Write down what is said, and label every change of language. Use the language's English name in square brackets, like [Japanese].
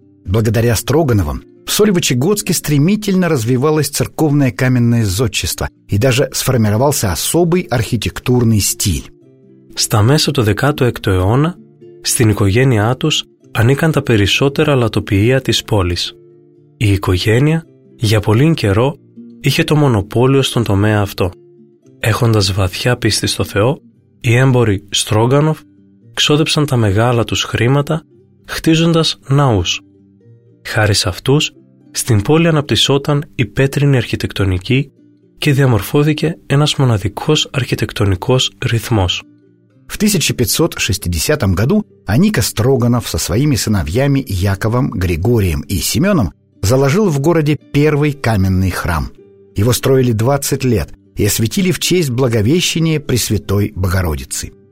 [Russian] Благодаря Строгановым в Сольвычегодске стремительно развивалось церковное каменное зодчество и даже сформировался особый архитектурный стиль. [Greek] Στα μέσα του 16ου αιώνα, στην οικογένειά τους ανήκαν τα περισσότερα λατοποιεία της πόλης. Η οικογένεια, για πολύν καιρό, είχε το μονοπόλιο στον τομέα αυτό. Έχοντας βαθιά πίστη στο Θεό, οι έμποροι Στρόγκανοφ ξόδεψαν τα μεγάλα τους χρήματα χτίζοντας ναούς. Χάρη σε αυτούς, στην πόλη αναπτυσσόταν η πέτρινη αρχιτεκτονική και διαμορφώθηκε ένας μοναδικός αρχιτεκτονικός ρυθμός. [Russian] В 1560 году Анико Строганов со своими сыновьями Яковом, Григорием и Семеном заложил в городе первый каменный храм. Его строили 20 лет и освятили в честь Благовещения Пресвятой Богородицы.